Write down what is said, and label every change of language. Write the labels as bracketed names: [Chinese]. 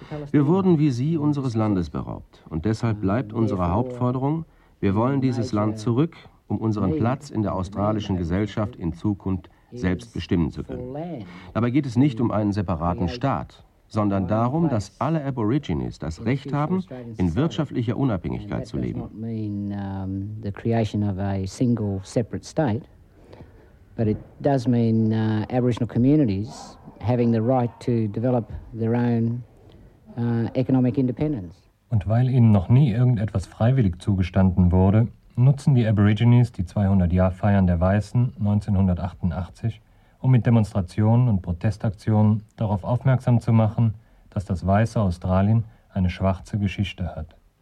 [German] Wir wurden wie sie unseres Landes beraubt und deshalb bleibt unsere Hauptforderung, wir wollen dieses Land zurück, um unseren Platz in der australischen Gesellschaft in Zukunft selbst bestimmen zu können. Dabei geht es nicht um einen separaten Staat, sondern darum, dass alle Aborigines das Recht haben, in wirtschaftlicher Unabhängigkeit zu leben. [English] The creation of a single separate state, but it does mean Aboriginal communities having the right to develop their own economic independence. [German] Und weil ihnen noch nie irgendetwas freiwillig zugestanden wurde, nutzen die Aborigines die 200-Jahr-Feiern der Weißen 1988, um mit Demonstrationen und Protestaktionen darauf aufmerksam zu machen, dass das weiße Australien eine schwarze Geschichte hat.